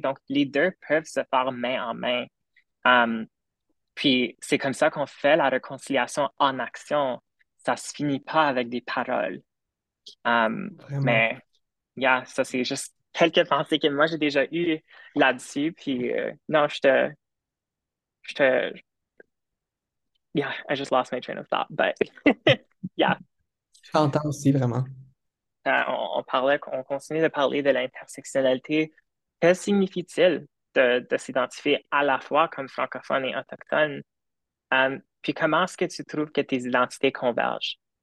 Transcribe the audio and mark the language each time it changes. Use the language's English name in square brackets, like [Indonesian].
[French] Donc, les deux peuvent se faire main en main. Puis c'est comme ça qu'on fait la réconciliation en action. Ça se finit pas avec des paroles. Vraiment. Mais, yeah, ça, c'est juste quelques pensées que moi, j'ai déjà eues là-dessus. Puis non, je te [English] Yeah, I just lost my train of thought, but yeah. [French] J'entends aussi vraiment. On continue de parler de l'intersectionnalité. Que signifie-t-il? de s'identifier à la fois comme francophone et autochtone? Puis comment est-ce que tu trouves que tes identités convergent?